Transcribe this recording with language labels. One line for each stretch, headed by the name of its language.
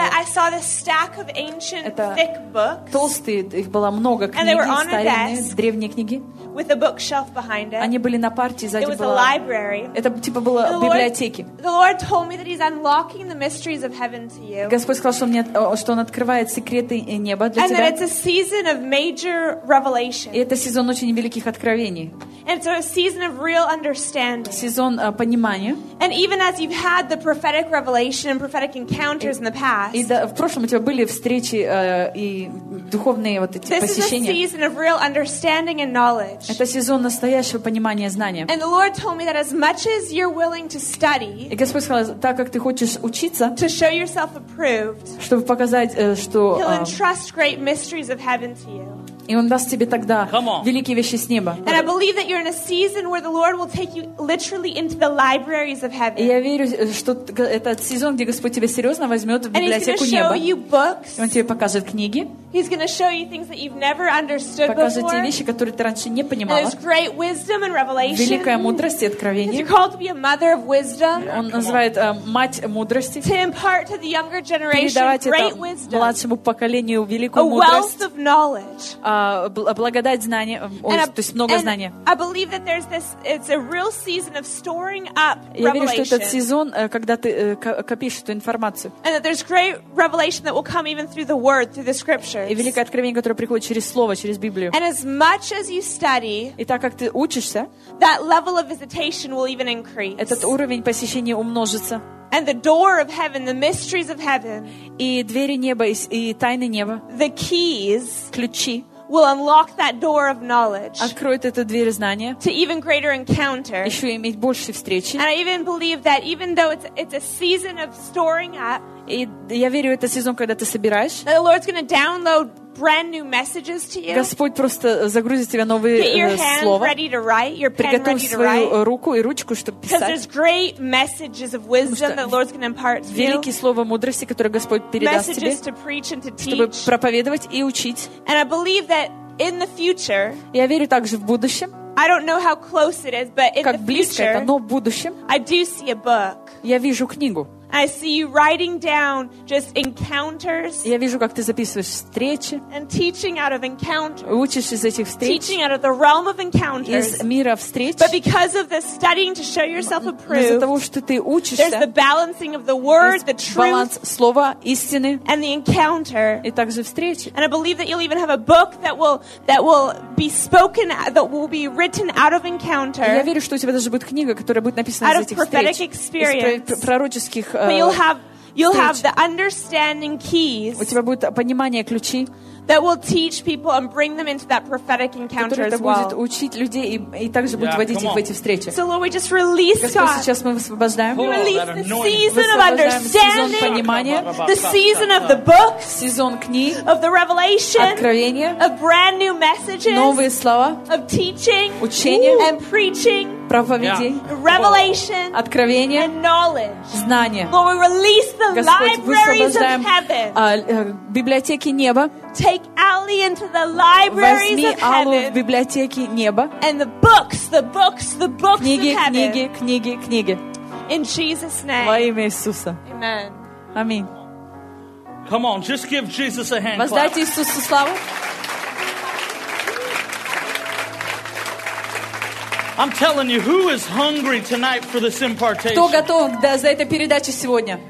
English: But I saw this stack of ancient thick books.
Russian: Толстые, их было много книг, старинные, древние книги.
English: With a bookshelf behind it.
Russian: Они были на парте, сзади была.
English: It was a library.
Russian: Это типа было библиотеки.
English: The Lord told me that He's unlocking the mysteries of heaven to you.
Russian: Господь сказал, что мне, что Он открывает секреты неба для тебя.
English: And that it's a season of major revelation.
Russian: И это сезон очень великих откровений.
English: And it's a season of real understanding.
Russian: Сезон понимания.
English: And even as you've had the prophetic revelation and prophetic encounters in the past.
Russian: И в прошлом у тебя были встречи и духовные вот эти посещения.
English: This is a season of real understanding and knowledge.
Russian: Это сезон настоящего понимания знания.
English: And the Lord told me that as much as you're willing to study,
Russian: и Господь сказал, так как ты хочешь учиться,
English: to show yourself approved,
Russian: чтобы показать, что
English: He'll entrust great mysteries of heaven to you.
Russian: И Он даст тебе тогда великие вещи с неба.
English: And I believe that you're in a season where the Lord will take you literally into the libraries of heaven.
Russian: И я верю, что этот сезон, где Господь тебя серьезно возьмет в библиотеку неба.
English: And He's going to show you books.
Russian: И Он тебе покажет книги.
English: He's going to show you things that you've never understood before.
Russian: Покажет тебе вещи, которые ты раньше не понимала.
English: There's great wisdom and revelation.
Russian: Великая мудрость и откровение.
English: You're called to be a mother of wisdom.
Russian: Он называет мать мудрости.
English: To impart to the younger generation great wisdom.
Russian: Передавать младшему поколению великую мудрость.
English: A wealth of knowledge.
Russian: Благодать знания, то есть много знания.
English: I believe that there's this, it's a real season of storing up revelation.
Russian: Я верю, что этот сезон, когда ты копишь эту информацию.
English: And that there's great revelation that will come even through the word, through the scriptures.
Russian: И великое откровение, которое приходит через слово, через Библию.
English: And as much as you study,
Russian: и так как ты учишься,
English: that level of visitation will even increase.
Russian: Этот уровень посещения умножится.
English: And the door of heaven, the mysteries of heaven.
Russian: И двери неба и тайны неба.
English: The keys.
Russian: Ключи.
English: Will unlock that door of knowledge.
Russian: Откроет эту дверь знания.
English: To even greater encounter.
Russian: Еще иметь больше встречи.
English: And I even believe that even though it's a season of storing up.
Russian: И я верю, это сезон, когда ты собираешь.
English: That the Lord's going to download brand new messages to you.
Russian: Господь просто загрузит тебе новые слова.
English: Get your hand ready to write, your pen ready to write.
Russian: Приготовь свою руку и ручку, чтобы писать.
English: Because there's great messages of wisdom that the Lord's going to impart to you.
Russian: Великие слова мудрости, которые Господь передаст тебе.
English: Messages to preach and to teach.
Russian: Чтобы проповедовать и учить.
English: And I believe that in the future.
Russian: Я верю также в будущем.
English: I don't know how close it is, but in the future.
Russian: Как близко это, но в будущем.
English: I do see a book.
Russian: Я вижу книгу.
English: I see you writing down just encounters.
Russian: Я вижу, как ты записываешь встречи.
English: And teaching out of encounters.
Russian: Учишь из этих встреч.
English: Teaching out of the realm of encounters.
Russian: Из мира встреч.
English: But because of the studying to show yourself approved.
Russian: Из-за того, что ты учишься.
English: There's the balancing of the word, the truth.
Russian: Баланс слова истины.
English: And the encounter.
Russian: И также встречи.
English: And I believe that you'll even have a book that will be spoken, that will be written out of encounter.
Russian: Я верю, что у тебя даже будет книга, которая будет написана из этих встреч.
English: Out of prophetic experience.
Russian: Из пророческих.
English: But you'll have the understanding keys.
Russian: У тебя будет понимание ключи.
English: That will teach people and bring them into that prophetic encounter as well.
Russian: Будет учить людей и также будет водить их в эти встречи.
English: So Lord, we just release God.
Russian: Сейчас мы освобождаем.
English: We release the season of understanding. The season of the books.
Russian: Сезон книг.
English: Of the revelation.
Russian: Откровения.
English: Of brand new messages.
Russian: Новые слова.
English: Of teaching.
Russian: Учения.
English: And preaching.
Russian: Проповеди.
English: Revelation.
Russian: Откровения.
English: And knowledge.
Russian: Знания.
English: Lord, we release the libraries of heaven.
Russian: Библиотеки неба.
English: Take Ali into the libraries
Russian: Возьми
English: of heaven.
Russian: Возьми Алу в библиотеки неба.
English: And the books
Russian: книги,
English: of heaven.
Russian: Книги, книги, книги.
English: In Jesus' name.
Russian: Во имя Иисуса.
English: Amen.
Russian: Аминь.
English: Come on, just give Jesus a hand.
Russian: Воздайте Иисусу славу.
English: I'm telling you, who is hungry tonight for this impartation?
Russian: Кто готов за эту передачу сегодня?